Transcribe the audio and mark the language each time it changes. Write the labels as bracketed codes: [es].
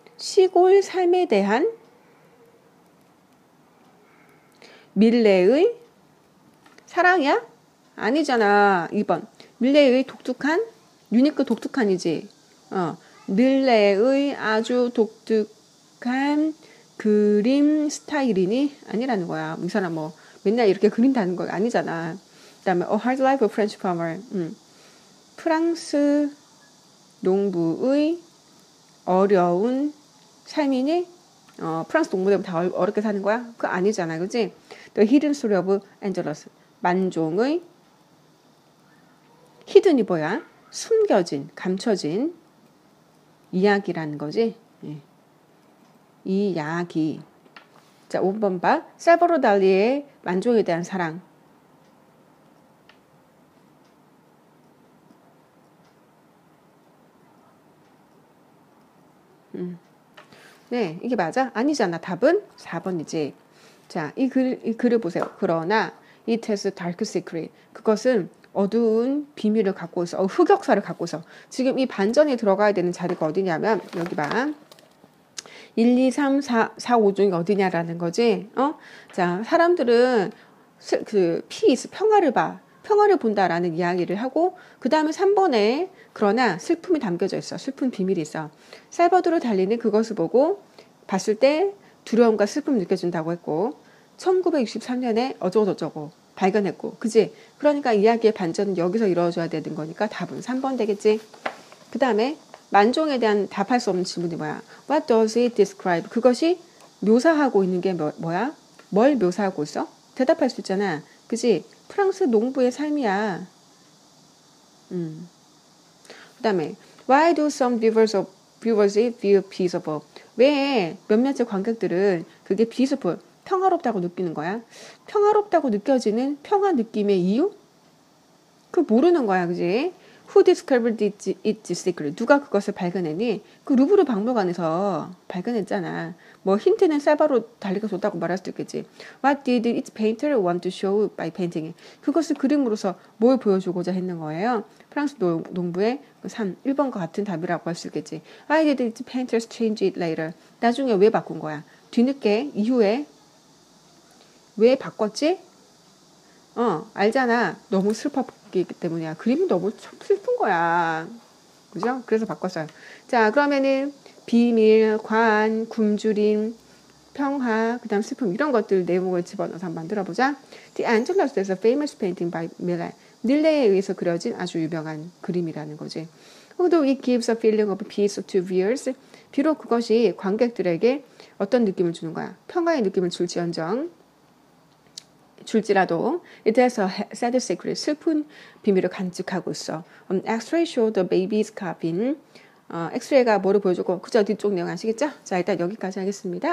[ko] 시골 삶에 대한 밀레의 사랑이야? 아니잖아. 2번. 밀레의 독특한, 유니크 독특한이지. 밀레의 아주 독특한 그림 스타일이니? 아니라는 거야. 이 사람 뭐. 맨날 이렇게 그린다는 거 아니잖아. 그 다음에 [en] A Hard Life of French Farmer. [ko] 프랑스 농부의 어려운 삶이니? 프랑스 농부들 다 어렵게 사는 거야? 그거 아니잖아. 그치? [en] The Hidden Story of Angelus. [ko] 만종의 히든이 뭐야? 숨겨진, 감춰진 이야기라는 거지. 예. 이야기. 자, 5번 봐. 살바도르 달리의 만종에 대한 사랑. 네, 이게 맞아? 아니잖아. 답은 4번이지. 자, 이 글을 보세요. 그러나 [en] it has dark secret. [ko] 그것은 어두운 비밀을 갖고 있어. 흑역사를 갖고 있어. 지금 이 반전에 들어가야 되는 자리가 어디냐면 여기 봐. 1, 2, 3, 4, 5 중이 어디냐라는 거지. 자, 사람들은 peace, 평화를 봐. 평화를 본다라는 이야기를 하고 그 다음에 3번에 그러나 슬픔이 담겨져 있어. 슬픈 비밀이 있어. 살바도르 달리는 그것을 보고 봤을 때 두려움과 슬픔을 느껴진다고 했고 1963년에 어쩌고저쩌고 발견했고 그지? 그러니까 이야기의 반전은 여기서 이루어져야 되는 거니까 답은 3번 되겠지. 그 다음에 만종에 대한 답할 수 없는 질문이 뭐야? [en] What does it describe? [ko] 그것이 묘사하고 있는 게 뭐야? 뭘 묘사하고 있어? 대답할 수 있잖아. 그지? 프랑스 농부의 삶이야. 그 다음에 [en] Why do some viewers feel peaceful? [ko] 왜 몇몇의 관객들은 그게 peaceful, 평화롭다고 느끼는 거야? 평화롭다고 느껴지는 평화 느낌의 이유? 그 모르는 거야, 그지? [en] Who discovered it secret? [ko] 누가 그것을 발견했니? 그 루브르 박물관에서 발견했잖아. 뭐 힌트는 살바로 달리가 줬다고 말할 수도 있겠지. [en] What did its painter want to show by painting? [ko] 그것을 그림으로서 뭘 보여주고자 했는 거예요? 프랑스 농부의 3, 1번과 같은 답이라고 할 수 있겠지. [en] Why did its painters change it later? [ko] 나중에 왜 바꾼 거야? 뒤늦게, 이후에 왜 바꿨지? 어, 알잖아. 너무 슬퍼기 때문이야. 그림이 너무 슬픈 거야. 그죠? 그래서 바꿨어요. 자, 그러면은 비밀, 관, 굶주림, 평화, 그 다음 슬픔 이런 것들 내용을 집어넣어서 한번 만들어보자. [en] The Angelus is a famous painting by Millet. [ko] 닐레에 의해서 그려진 아주 유명한 그림이라는 거지. [en] Although it gives a feeling of peace to viewers. [ko] 비록 그것이 관객들에게 어떤 느낌을 주는 거야? 평화의 느낌을 줄지언정. 줄지라도 [en] it has a sad secret, [ko] 슬픈 비밀을 간직하고 있어. [en] X-ray show the baby's coffin. [ko] X-ray가 뭐를 보여주고 그저 뒤쪽 내용 아시겠죠? 자, 일단 여기까지 하겠습니다.